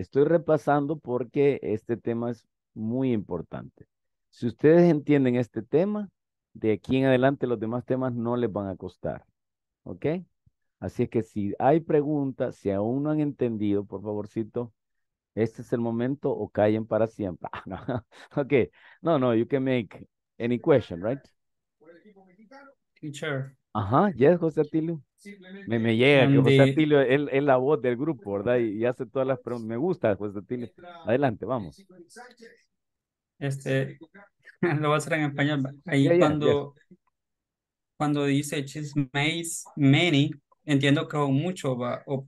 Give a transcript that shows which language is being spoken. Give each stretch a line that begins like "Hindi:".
Spanish: Estoy repasando porque este tema es muy importante. Si ustedes entienden este tema, de aquí en adelante los demás temas no les van a costar. ¿Ok? Así es que si hay preguntas, si aún no han entendido, por favorcito, este es el momento o callen para siempre. No. Ok.
English: No, no, you can make any question, right? Teacher.
Spanish: Ajá, yes, José Atilio. Me llega que José Atilio es la voz del grupo, ¿verdad? Y hace todas las preguntas. Me gusta, José Atilio. Adelante, vamos. Este, lo voy a hacer en español. Ahí yeah, cuando, yeah. Cuando dice
English: she's made many,
Spanish: entiendo que son mucho, va. O,